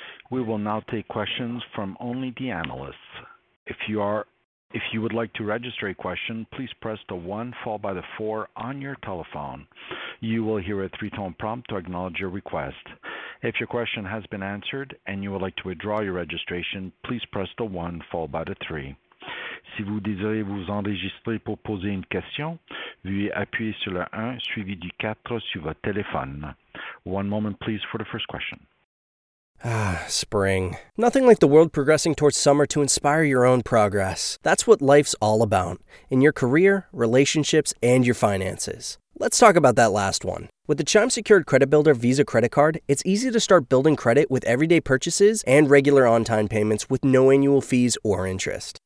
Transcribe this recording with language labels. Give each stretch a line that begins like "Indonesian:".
English: We will now take questions from only the analysts. If you would like to register a question, please press the 1 followed by the 4 on your telephone. You will hear a 3-tone prompt to acknowledge your request. If your question has been answered and you would like to withdraw your registration, please press the 1 followed by the 3.
French: Si vous désirez vous enregistrer pour poser une question, veuillez appuyer sur le 1 suivi du 4 sur votre téléphone.
English: One moment, please, for the first question. Ah, spring. Nothing like the world progressing towards summer to inspire your own progress. That's what life's all about, in your career, relationships, and your finances. Let's talk about that last one. With the Chime Secured Credit Builder Visa Credit Card, it's easy to start building credit with everyday purchases and regular on-time payments with no annual fees or interest.